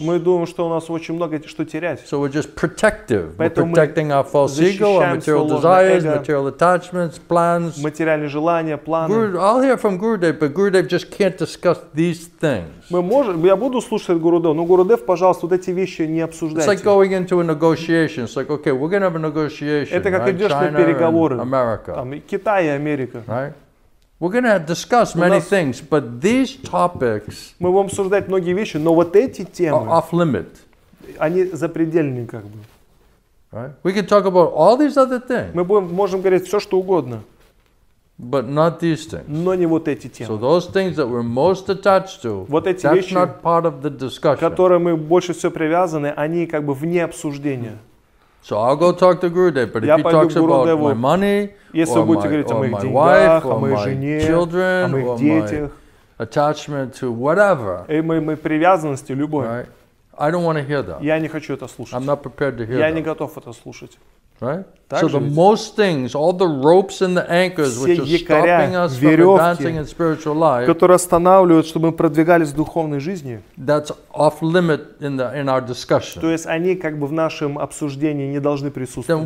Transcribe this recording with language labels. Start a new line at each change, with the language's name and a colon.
Russian: Мы думаем, что у нас очень много что терять.
English: So we're just protective.
Russian: Поэтому
English: we're protecting our false ego, our material desires, material attachments, plans.
Russian: Материальные желания, планы.
English: I'll hear from Gurudev, but Gurudev just can't discuss these things.
Russian: Мы можем, я буду слушать Гурудев, но Гурудев, пожалуйста, вот эти вещи не обсуждайте.
English: It's like going into a negotiation. It's like, okay, we're going to have a negotiation.
Russian: Это как
English: right?
Russian: идешь
English: China
Russian: на переговоры.
English: America.
Russian: Там Китай и Америка.
English: Right? We're going to discuss many things, but these topics.
Russian: Мы будем обсуждать многие вещи, но вот эти темы.
English: Off limit.
Russian: Они запредельные как бы.
English: Right? We can talk about all these other things.
Russian: Мы будем, можем говорить все что угодно.
English: But not these things.
Russian: Но не вот эти темы.
English: So those things that we're most attached to,
Russian: вот эти
English: that's
Russian: вещи,
English: not part of the discussion.
Russian: Которые мы больше всего привязаны, они как бы вне обсуждения.
English: So I'll go talk to Gurudev, but
Russian: Я
English: if he talks
Russian: Гуру
English: about
Russian: Деву,
English: my money,
Russian: если
English: or, my, or,
Russian: деньгах,
English: my
Russian: деньгах,
English: or my
Russian: жене,
English: children, or
Russian: детях,
English: my attachment to whatever,
Russian: и мы привязанности любой,
English: right? I don't want to hear that.
Russian: Я не хочу это слушать.
English: I'm not prepared to hear
Russian: Я
English: that.
Russian: Не готов это слушать.
English: Right?
Russian: Так
English: so the most things, all the ropes and the anchors, which are
Russian: якоря,
English: stopping us
Russian: веревки,
English: from advancing in spiritual life,
Russian: которые останавливают, чтобы мы продвигались в духовной жизни,
English: that's off limit in our discussion.
Russian: То есть они как бы в нашем обсуждении не должны присутствовать.